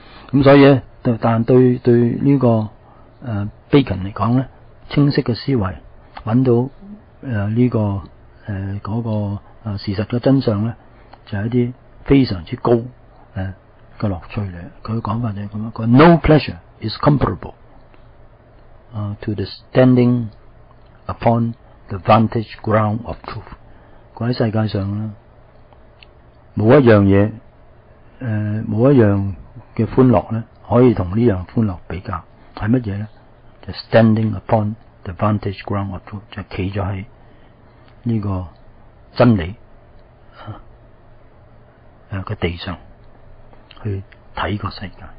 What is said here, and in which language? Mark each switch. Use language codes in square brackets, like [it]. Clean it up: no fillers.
[yue] 咁所以咧，但对对呢、这个Bacon 嚟讲咧，清晰嘅思维揾到呢、这个嗰、那个事实嘅真相咧，就系、是、一啲非常之高嘅乐趣嚟。佢讲法就系咁样，佢 [en] No pleasure is comparable to the standing upon the vantage ground of truth。 [yue] 佢喺世界上咧，冇一样嘢。冇一样嘅欢乐咧，可以同呢样欢乐比较，系乜嘢咧？就 [en] standing upon the vantage ground of truth， [yue] 就企咗喺呢个真理嘅地上去睇个世界。